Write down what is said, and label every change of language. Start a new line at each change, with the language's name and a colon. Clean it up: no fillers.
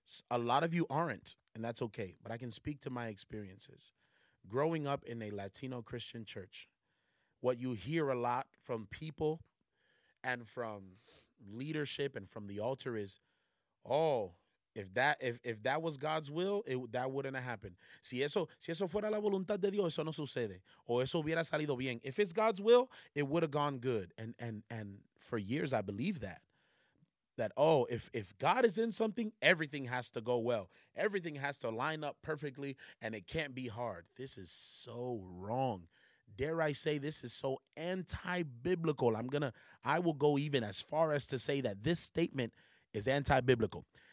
English: A lot of you aren't, and that's okay, but I can speak to my experiences. Growing up in a Latino Christian church, what you hear a lot from people and from leadership and from the altar is, oh, if that was God's will, that wouldn't have happened.
Spanish: Si eso fuera la voluntad de Dios, eso no sucede. O eso hubiera salido bien.
English: If it's God's will, it would have gone good. And for years, I believed that. that, oh, if God is in something, everything has to go well. Everything has to line up perfectly, and it can't be hard. This is so wrong. Dare I say this is so anti-biblical. I will go even as far as to say that this statement is anti-biblical.